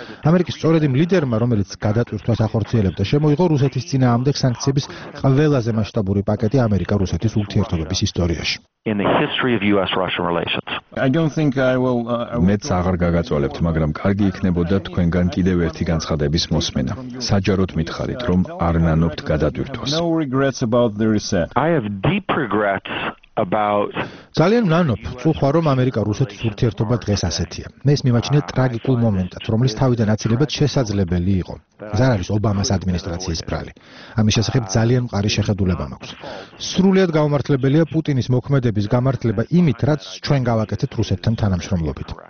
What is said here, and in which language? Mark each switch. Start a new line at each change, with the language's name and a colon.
Georgian: ამერიკის სწორედ იმ ლიდერმა, რომელიც გადატვირთვას ახორციელებდა, შემოიღო რუსეთის წინააღმდეგ სანქციების ყველაზე მასშტაბური პაკეტი ამერიკა-რუსეთის ურთიერთობების ისტორიაში.
English: In the history of US-Russian relations. I don't think I will
Georgian: მეც აღარ გაგაწოლებთ, მაგრამ კარგი იქნებოდა თქვენგან კიდევ ერთი განცხადების მოსმენა. საჯაროდ მითხარით, რომ არ ნანობთ გადატვირთვას.
English: No regrets about the reset. I have deep regrets about
Georgian: ძალიან ნანობ, წუხვა რომ ამერიკა-რუსეთის ურთიერთობა დღეს ასეთია. მე ეს მიმაჩნია ტრაგიკულ მომენტად, რომლის თავიდან აცილებად შესაძლებელი იყო. ზარ არის ობამას ადმინისტრაციის ბრალი. ამის შესახებ ძალიან მყარი შეხედულება მაქვს. სრულიად გამართლებელია პუტინის მოქმედების გამართლება იმით, რაც ჩვენ გავაკეთეთ რუსეთთან თანამშრომლობით.